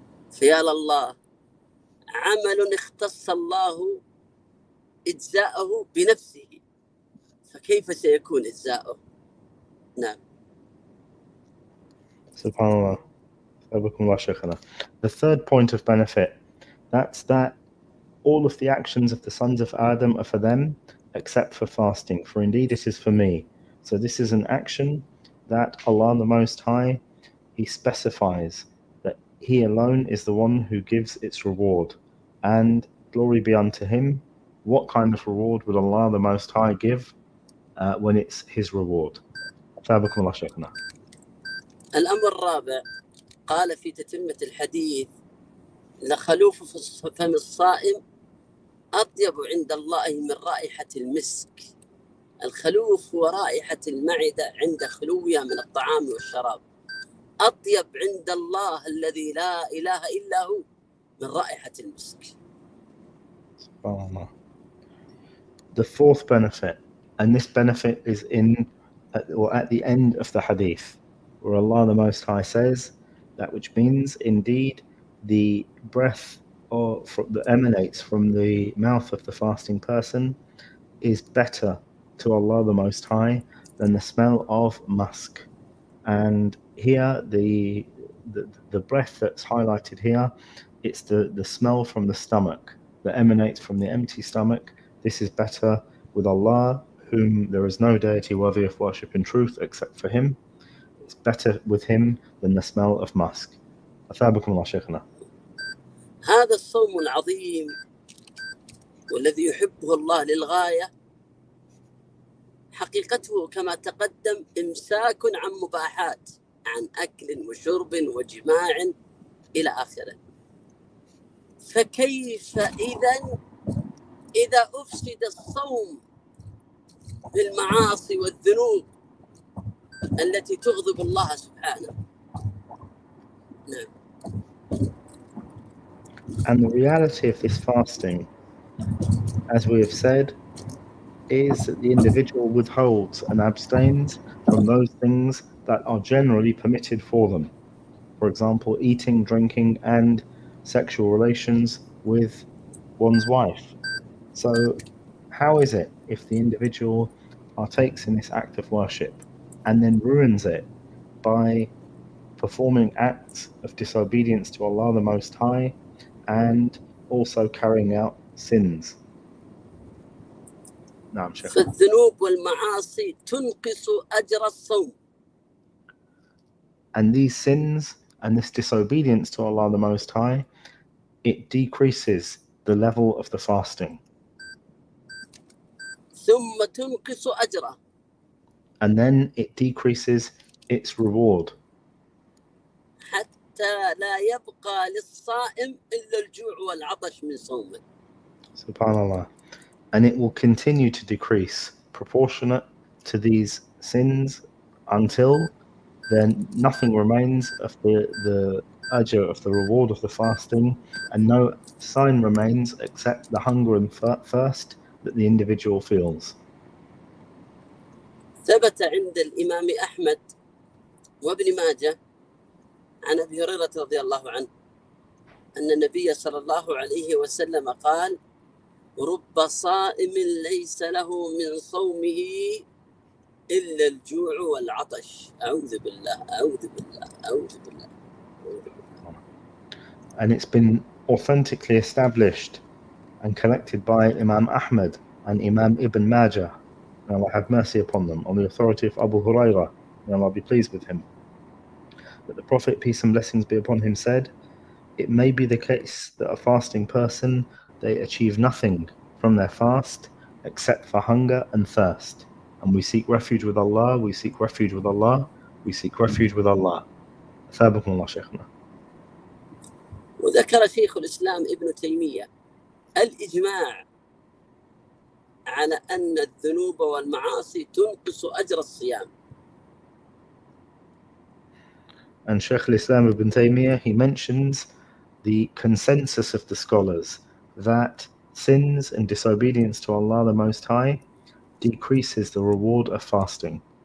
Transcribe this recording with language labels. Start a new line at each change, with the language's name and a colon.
Arabic: فيا لله عمل اختص الله إجزاءه بنفسه، فكيف سيكون إجزاءه؟ نعم. سبحان الله.
English: The third point of benefit, that's that all of the actions of the sons of Adam are for them, except for fasting, for indeed it is for me. So this is an action that Allah the Most High, He specifies that He alone is the one who gives its reward. And glory be unto Him, what kind of reward would Allah the Most High give when it's His reward?
Arabic: Thabakum Allah Shaykhana. Al-Amr Rabi' قال في تتمة الحديث لخلوف فم الصائم أطيب عند الله من رائحة المسك. الخلوف هو رائحة المعدة عند خلوها من الطعام والشراب، أطيب عند الله الذي لا إله إلا هو من رائحة المسك. سبحان الله.
English: The fourth benefit, and this benefit is in or at the end of the hadith, where Allah the Most High says that which means indeed the breath that emanates from the mouth of the fasting person is better to Allah the Most High than the smell of musk. And here the breath that's highlighted here, it's the smell from the stomach that emanates from the empty stomach. This is better with Allah, whom there is no deity worthy of worship in truth except for Him. It's better with Him than the smell of musk.
Arabic: أثابكم الله شيخنا. هذا الصوم العظيم والذي يحبه الله للغاية حقيقته كما تقدم إمساك عن مباحات، عن أكل وشرب وجماع إلى آخره. فكيف إذا أفسد الصوم بالمعاصي والذنوب التي تغضب الله سبحانه؟
English: And the reality of this fasting, as we have said, is that the individual withholds and abstains from those things that are generally permitted for them. For example, eating, drinking, and sexual relations with one's wife. So how is it if the individual partakes in this act of worship and then ruins it by performing acts of disobedience to Allah the Most High and also carrying out sins?
Arabic: نعم شيخ. فالذنوب والمعاصي تنقص أجر الصوم.
English: And these sins and this disobedience to Allah the Most High, it decreases the level of the fasting.
Arabic: ثم تنقص أجره.
English: And then it decreases its reward.
Arabic: لا يبقى للصائم إلا الجوع والعطش من صومه. Subhanallah.
English: And it will continue to decrease proportionate to these sins until then nothing remains of the ajr of the reward of the fasting, and no sign remains except the hunger and thirst that the individual feels.
Arabic: ثبت عند الإمام أحمد وابن ماجة عن أبي هريرة رضي الله عنه أن النبي صلى الله عليه وسلم قال رب صائم ليس له من صومه إلا الجوع والعطش. أعوذ بالله أعوذ بالله أعوذ بالله.
English: And it's been authentically established and collected by Imam Ahmad and Imam Ibn Majah, may Allah have mercy upon them, on the authority of Abu Huraira, may Allah be pleased with him, that the Prophet, peace and blessings be upon him, said, it may be the case that a fasting person, they achieve nothing from their fast except for hunger and thirst. And we seek refuge with Allah, we seek refuge with Allah, we seek refuge with Allah.
Arabic: Thabakum Allah, Shaykhna. وذكر شيخ الإسلام ابن تيمية الإجماع على أن الذنوب والمعاصي تنقص أجر الصيام.
English: And Shaykh al-Islam ibn Taymiyyah, he mentions the consensus of the scholars that sins and disobedience to Allah the Most High decreases the reward of fasting.